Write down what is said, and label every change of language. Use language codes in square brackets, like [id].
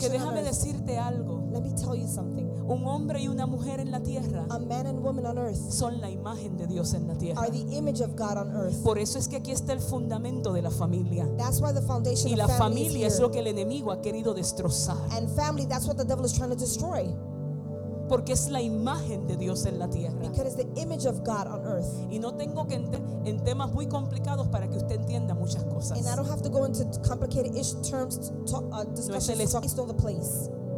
[es] porque déjame decirte algo. [en] Let me tell you something. [es] Un hombre y una mujer en la tierra, [en] a man and woman on earth, [es] son la imagen de Dios en la tierra, [en] are the image of God on earth. [es] Por eso es que aquí está el fundamento de la familia. [en] That's why the foundation [es] y la [en] of family [es] familia [en] is here. [es] Es lo que el enemigo ha querido destrozar. [en] And family, that's what the devil is trying to destroy. [es] Porque es la imagen de Dios en la tierra. [en] Because it's the image of God on earth. [es] Y no tengo que entrar en temas muy complicados para que usted entienda muchas cosas. [en] And I don't have to go into complicated ish terms to talk, discussions to the place.